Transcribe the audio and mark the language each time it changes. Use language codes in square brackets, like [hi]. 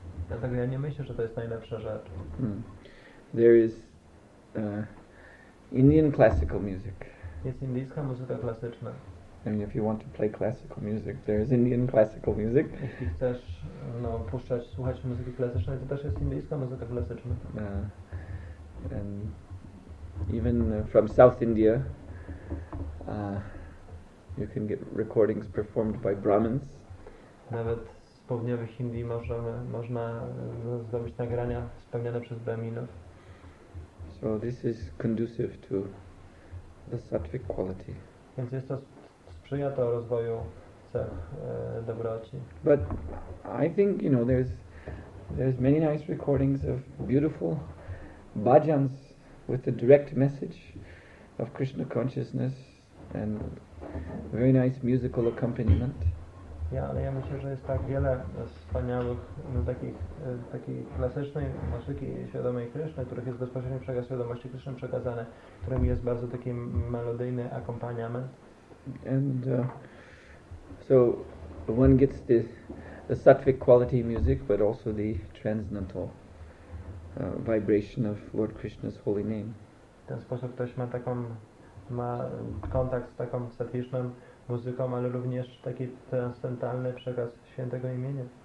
[pl] Dlatego ja nie myślę, że to jest najlepsza rzecz. Mm. [en] There is Indian classical music. [pl] Jest indyjska muzyka klasyczna. [en] I mean, if you want to play classical music, there is Indian classical music. [pl] Jeśli chcesz, no, puszczać, słuchać muzyki klasycznej, to też jest indyjska muzyka klasyczna. [en] And even from South India, you can get recordings performed by Brahmins. [pl] Nawet z południowych Indii można zdobyć nagrania spełnione przez Brahminów. [en] So this is conducive to the sattvic quality. [pl] Więc jest to sprzyja to rozwoju cech dobroci. [en] But I think, you know, there's many nice recordings of beautiful bhajans with the direct message of Krishna consciousness and very nice musical accompaniment. [pl] Ja, ale ja myślę, że jest tak wiele wspaniałych, no, takiej klasycznej muzyki świadomej Kryszny, których jest bezpośrednio przekaz świadomości Kryszny przekazane, którym jest bardzo taki melodyjny akompaniament. [en] And so one gets the sattvic quality music, but also the transcendental vibration of Lord Krishna's holy name. [pl] W ten sposób ktoś ma taką, ma kontakt z taką sattwiczną muzyką, ale również taki transcendentalny przekaz świętego imienia.